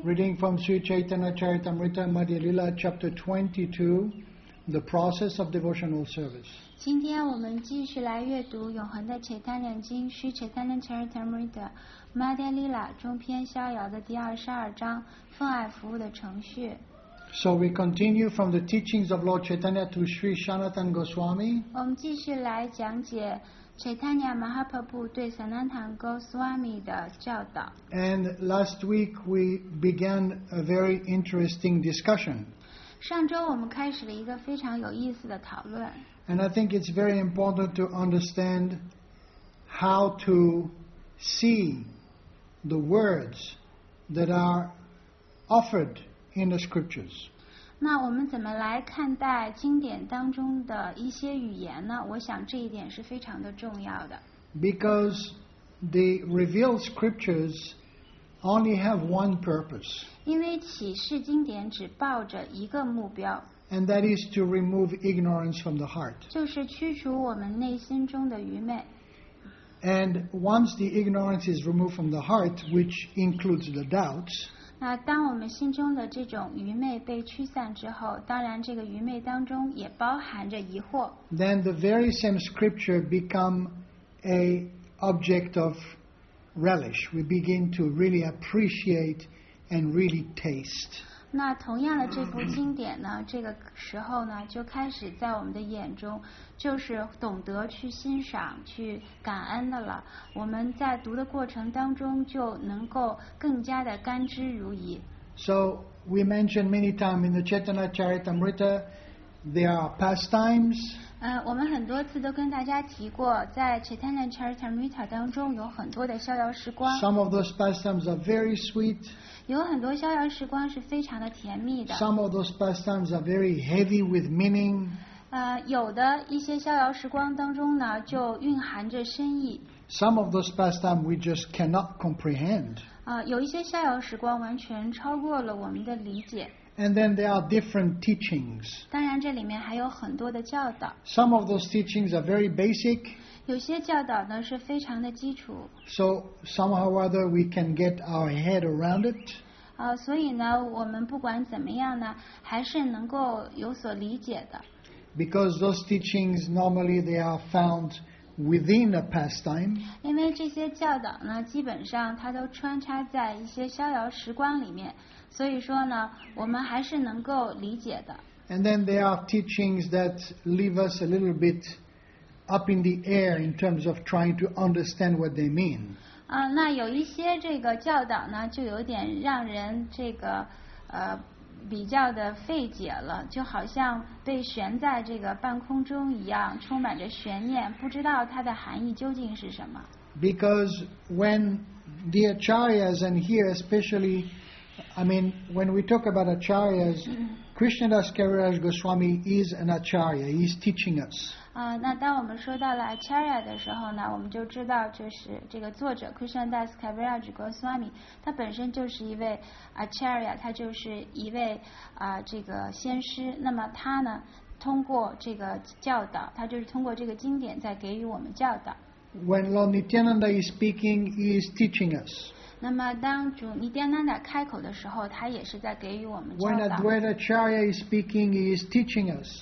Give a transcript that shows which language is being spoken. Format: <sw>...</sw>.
<en>Reading from Sri Chaitanya Charitamrita Madhya Lila Chapter 22 The Process of Devotional Service</en> <zh>今天我们继续来阅读永恒的《Chaitanya 经》Sri Chaitanya Charitamrita Madhya Lila 中篇逍遥的第22章奉爱服务的程序</zh> <en>So we continue from the teachings of Lord Chaitanya to Sri Sanatana Goswami</en> <zh>我们继续来讲解 Chaitanya Mahaprabhu 对 Sanatana Goswami 的教导</zh> <en>And last week we began a very interesting discussion</en> <zh>上周我们开始了一个非常有意思的讨论</zh> <en>And I think it's very important to understand how to see the words that are offered in the scriptures.</en> <zh>那我们怎么来看待经典当中的一些语言呢？我想这一点是非常的重要的。</zh> <en>Because the revealed scriptures only have one purpose.</en> <zh>因为启示经典只抱着一个目标。</zh> <en>And that is to remove ignorance from the heart.</en> <zh>就是驱除我们内心中的愚昧。</zh> <en>And once the ignorance is removed from the heart, which includes the doubts,</en> <zh>那当我们心中的这种愚昧被驱散之后，当然这个愚昧当中也包含着疑惑。</zh> <en>Then the very same scripture become a object of relish. We begin to really appreciate and really taste.</en> <zh>那同样的这部经典呢这个时候呢就开始在我们的眼中就是懂得去欣赏去感恩的了我们在读的过程当中就能够更加的甘之如饴</zh> <en>So we mentioned many times in the Chaitanya Charitamrita there are pastimes</en> <zh>我们很多次都跟大家提过在 Chaitanya Charitamrita 当中有很多的逍遥时光</zh> <en>Some of those pastimes are very sweet</en> <zh>有很多逍遥时光是非常的甜蜜的</zh> <en>Some of those pastimes are very heavy with meaning</en> <zh>有的一些逍遥时光当中呢就蕴含着深意</zh> <en>Some of those pastimes we just cannot comprehend</en> <zh>有一些逍遥时光完全超过了我们的理解</zh> <en>And then there are different teachings</en> <zh>当然这里面还有很多的教导</zh> <en>Some of those teachings are very basic</en> <zh>有些教导呢是非常的基础</zh> <en>So somehow or other we can get our head around it</en> <zh>所以呢我们不管怎么样呢还是能够有所理解的</zh> <en>Because those teachings normally they are found within a pastime</en> <zh>因为这些教导呢基本上它都穿插在一些逍遥时光里面所以说呢我们还是能够理解的</zh> <en>And then there are teachings that leave us a little bit up in the air in terms of trying to understand what they mean</en> <zh>那有一些这个教导呢就有点让人这个比较的费解了就好像被悬在这个半空中一样充满着悬念不知道它的含义究竟是什么</zh> <en>Because when the acharyas and here especially I mean when we talk about acharyas Krishnadas Kaviraj Goswami is an acharya he's teaching us</en> <zh>那当我们说到了 acharya 的时候呢我们就知道就是这个作者 Krishnadas Kaviraj Goswami 他本身就是一位 acharya 他就是一位这个先师那么他呢通过这个教导他就是通过这个经典在给予我们教导</zh> <en>when Lord Nityananda is speaking he is teaching us</en> <zh>那么当主尼迦那达开口的时候，他也是在给予我们教导。</zh> <en>When Advaita Charya is speaking, he is teaching us.</en>